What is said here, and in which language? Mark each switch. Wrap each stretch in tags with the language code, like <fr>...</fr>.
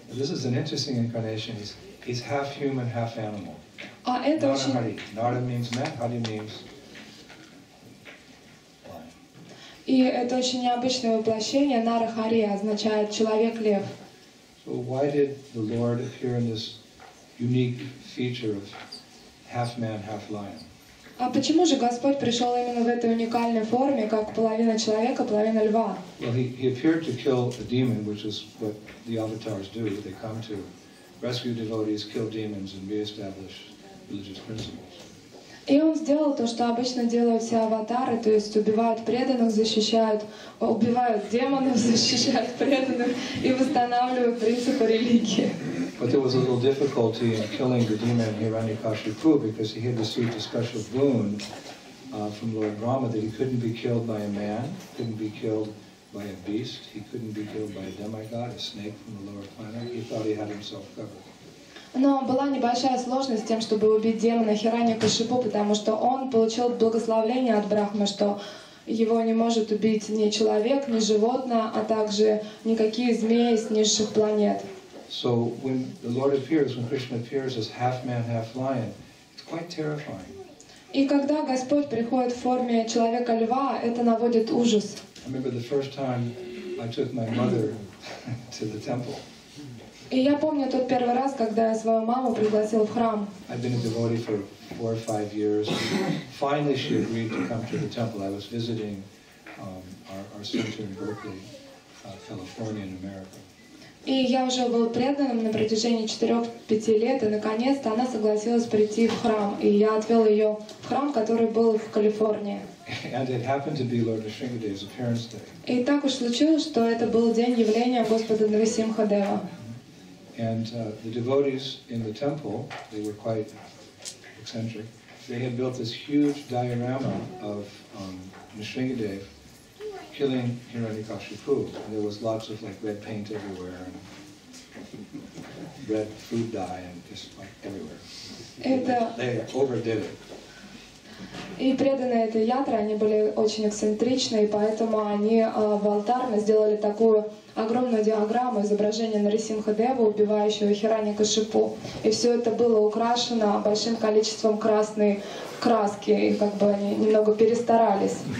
<ru>Это интересная инкарнация. Он</ru> <en>half-human, half-animal. Нарда means man, Hari means...</en> <ru>И это очень необычное воплощение. Нарахари означает человек-лев.</ru> <en>So why did the Lord appear in this unique feature of half man, half lion?</en> <ru>А почему же Господь пришел именно в этой уникальной форме, как половина человека, половина льва?</ru> <en>Well, he appeared to kill a demon, which is what the avatars do. They come to rescue devotees, kill demons, and reestablish religious principles.</en> <ru>И он сделал то, что обычно делают все аватары, то есть убивают преданных, защищают, убивают демонов, защищают преданных и восстанавливают принципы религии.</ru> <en>But there was a little difficulty in killing the demon Hiranyakashipu because he had received a special boon from Lord Brahma that he couldn't be killed by a man, couldn't be killed by a beast, he couldn't be killed by a demigod, a snake from the lower planet. He thought he had himself covered.</en> <ru>Но была небольшая сложность с тем, чтобы убить демона Хираньякашипу, потому что он получил благословение от Брахмы, что его не может убить ни человек, ни животное, а также никакие змеи с низших планет.</ru> <en>So when the Lord appears, when Krishna appears as half man, half lion, it's quite terrifying.</en> <ru>И когда Господь приходит в форме человека-льва, это наводит ужас.</ru> <en>I remember the first time I took my mother to the temple.</en> <ru>И я помню тот первый раз, когда я свою маму пригласил в храм.</ru> <en>I've been a devotee for 4 or 5 years. Finally, she agreed to come to the temple. I was visiting our center in Berkeley, California, in America.</en> <ru>И я уже был преданным на протяжении 4-5 лет, и наконец-то она согласилась прийти в храм. И я отвел ее в храм, который был в Калифорнии.</ru> <en>And it happened to be Lord Nrisimha Dev's appearance day.</en> <ru>И так уж случилось, что это был день явления Господа Нарисимха Дева.</ru> <en>And the devotees in the temple, they were quite eccentric. They had built this huge diorama of Nrisimha Dev killing Hiranyakashipu. There was lots of like red paint everywhere and red food dye and just like everywhere. They overdid it.</en> <ru>И преданные этой ятре, они были очень эксцентричны, и поэтому они в алтарне сделали такую огромную диаграмму изображения Нарисимха Дева, убивающего Хираньякашипу. И все это было украшено большим количеством красной краски, и как бы они немного перестарались.</ru>